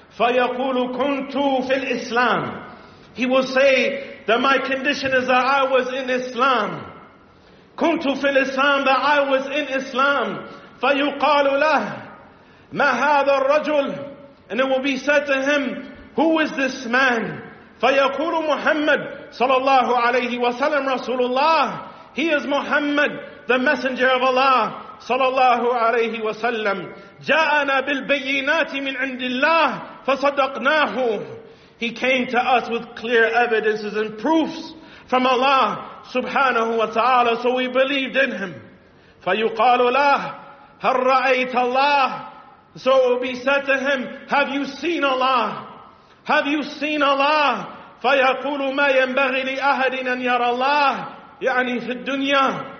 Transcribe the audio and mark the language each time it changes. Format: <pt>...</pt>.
<ar>فَيَقُولُ كُنْتُ فِي الْإِسْلَامِ.</ar> <en>He will say that my condition is that I was in Islam.</en> <ar>كُنْتُ فِي الْإِسْلَامِ,</ar> <en>that I was in Islam.</en> <ar>فَيُقَالُ لَهُ مَا هَذَا الرَّجُلُ.</ar> <en>And it will be said to him, Who is this man?</en> <ar>فيقول محمد صلى الله عليه وسلم رسول الله.</ar> <en>He is Muhammad, the messenger of Allah صلى الله عليه وسلم.</en> <ar>جاءنا بالبينات من عند الله فصدقناه.</ar> <en>He came to us with clear evidences and proofs from Allah subhanahu wa ta'ala, so we believed in him.</en> <ar>فيقال له هل رأيت الله.</ar> <en>So it will be said to him, have you seen Allah? Have you seen Allah?</en> <ar>فَيَقُولُ مَا يَنْبَغِي لِأَهَدٍ أَنْ يَرَى اللَّهِ يَعْنِي فِي الدُّنْيَا.</ar>